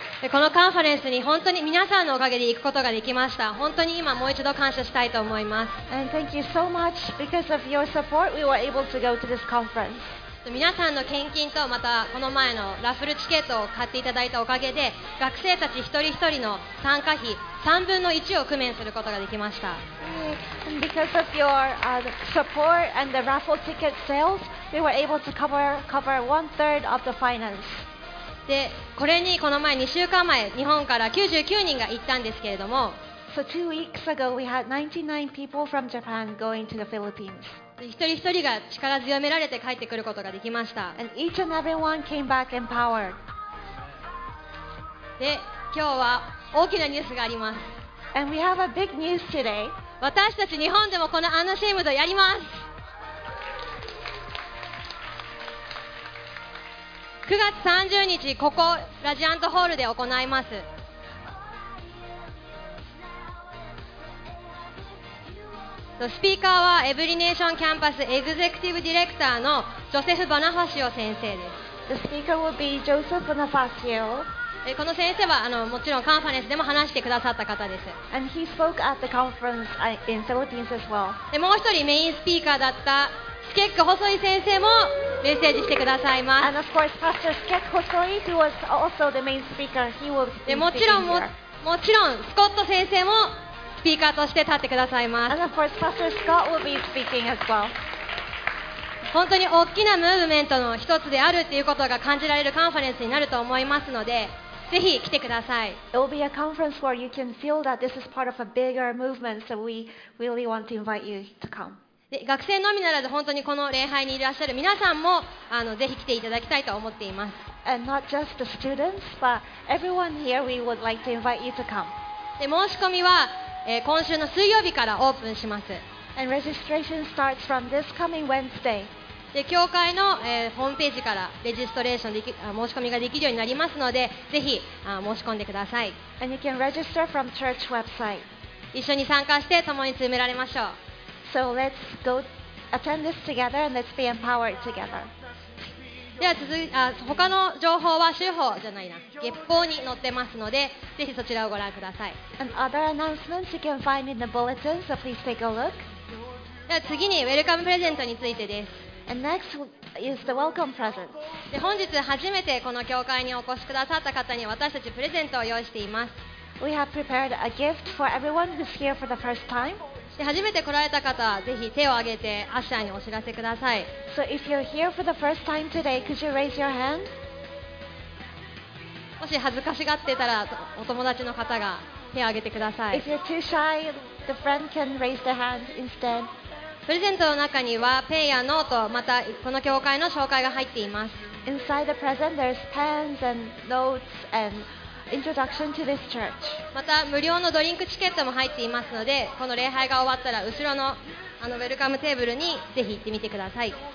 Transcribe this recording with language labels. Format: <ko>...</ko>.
<ja>このカンファレンスに本当に皆さんのおかげで行くことができました。本当に今もう一度感謝したいと思います。</ja> <en>And thank you so much. Because of your support, we were able to go to this conference.</en> <ja>皆さんの献金とまたこの前のラッフルチケットを買っていただいたおかげで学生たち一人一人の参加費3分の1を工面することができました。</ja> <en>Because of your support and the raffle ticket sales, we were able to cover one third of the finance.</en> <ja>で、これにこの前2週間前日本から99人が行ったんですけれども、</ja> <en>So 2 weeks ago we had 99 people from Japan going to the Philippines.</en> <ja>一人一人が力強められて帰ってくることができました。</ja> <en>And each and everyone came back empowered.</en> <ja>で、今日は大きなニュースがあります。</ja> <en>And we have a big news today.</en> <ja>私たち日本でもこのアンナシェームドやります。 9月30日、ここラジアントホールで行います。スピーカーはエブリネーションキャンパスエグゼクティブディレクターのジョセフ・バナファシオ先生です。</ja> <en>スピーカー will be Joseph Bonifacio。</en> <ja>この先生はもちろんカンファレンスでも話してくださった方です。</ja> <en>And he spoke at the conference in Philippines as well。</en> <ja>でもう一人メインスピーカーだったスケック・ホソイ先生もメッセージしてくださいます。</ja> <en>And of course Pastor Skek Hosoi, who was also the main speaker, he will be speaking here。</en> <ja>もちろんスコット先生もスピーカーとして立ってくださいます。</ja> <en>And of course, Pastor Scott will be speaking as well.</en> <ja>本当に大きなムーブメントの一つであるということが感じられるカンファレンスになると思いますので、ぜひ来てください。</ja> <en>It will be a conference where you can feel that this is part of a bigger movement, so we really want to invite you to come.</en> <ja>で、学生のみならず本当にこの礼拝にいらっしゃる皆さんもぜひ来ていただきたいと思っています。</ja> <en>And not just the students, but everyone here, we would like to invite you to come.</en> <ja>で、申し込みは今週の水曜日からオープンします。</ja> <en>And registration starts from this coming Wednesday.</en> <ja>で、教会の、ホームページからレジストレーションでき申し込みができるようになりますので、ぜひ申し込んでください。</ja> <en>And you can register from church website.</en> <ja>一緒に参加して共に詰められましょう。</ja> <en>So let's go attend this together and let's be empowered together.</en> <ja>では他の情報は週報じゃないな、月報に載ってますので、ぜひそちらをご覧ください。</ja> <en>And other announcements you can find in the bulletin, so please take a look.</en> <ja>では次にウェルカムプレゼントについてです。</ja> <en>And next is the welcome present.</en> <ja>で、本日初めてこの教会にお越しくださった方に私たちプレゼントを用意しています。</ja> <en>We have prepared a gift for everyone who's here for the first time.</en> <ja>初めて来られた方はぜひ手を挙げてアッシャーにお知らせください。</ja> <en>So if you're here for the first time today, could you raise your hand?</en> <ja>もし恥ずかしがってたらお友達の方が手を挙げてください。</ja> <en>If you're too shy, the friend can raise their hand instead.</en> <ja>プレゼントの中にはペンやノート、またこの教会の紹介が入っています。</ja> <en>Inside the present, there's pens and notes andintroduction to this church.</en> <ja>また無料のドリンクチケットも入っていますので、この礼拝が終わったら後ろのウェルカムテーブルにぜひ行ってみてください。</ja>